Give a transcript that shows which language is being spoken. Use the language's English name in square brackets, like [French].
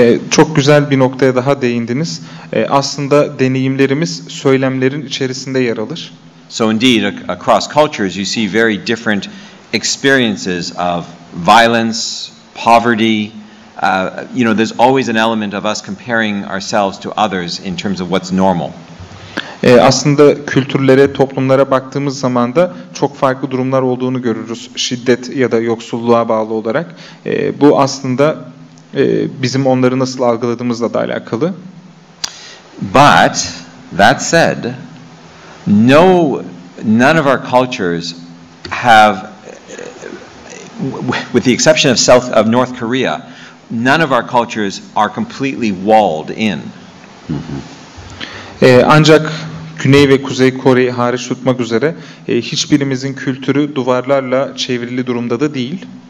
[Turkish] Çok güzel bir noktaya daha değindiniz. Aslında deneyimlerimiz söylemlerin içerisinde yer alır. [English] So indeed, across cultures, you see very different experiences of violence, poverty. You know, there's always an element of us comparing ourselves to others in terms of what's normal. [Turkish] Aslında kültürlere, toplumlara baktığımız zaman da çok farklı durumlar olduğunu görürüz. Şiddet ya da yoksulluğa bağlı olarak. Bu aslında bizim onları nasıl algıladığımızla da alakalı. [English] But that said, none of our cultures have, with the exception of North Korea, none of our cultures are completely walled in. [Turkish] Ancak Güney ve Kuzey Kore'yi hariç tutmak üzere hiçbirimizin kültürü duvarlarla çevrili durumda da değil.